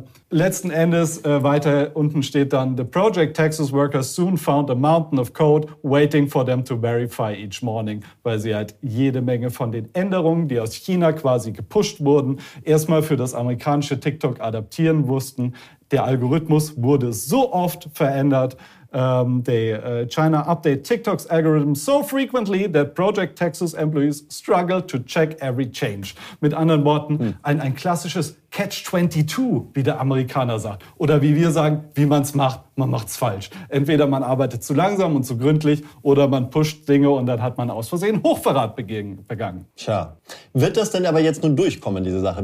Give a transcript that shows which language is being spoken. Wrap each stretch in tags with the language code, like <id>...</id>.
<de>letzten Endes, weiter unten steht dann,</de> <en>the Project Texas workers soon found a mountain of code waiting for them to verify each morning,</en> <de>weil sie halt jede Menge von den Änderungen, die aus China quasi gepusht wurden, erstmal für das amerikanische TikTok adaptieren mussten. Der Algorithmus wurde so oft verändert.</de> <en>China update TikTok's algorithm so frequently that Project Texas employees struggle to check every change.</en> <de>Mit anderen Worten, ein klassisches Catch-22, wie der Amerikaner sagt. Oder wie wir sagen, wie man es macht, man macht es falsch. Entweder man arbeitet zu langsam und zu gründlich oder man pusht Dinge und dann hat man aus Versehen Hochverrat begangen. Tja, wird das denn aber jetzt nun durchkommen, diese Sache?</de>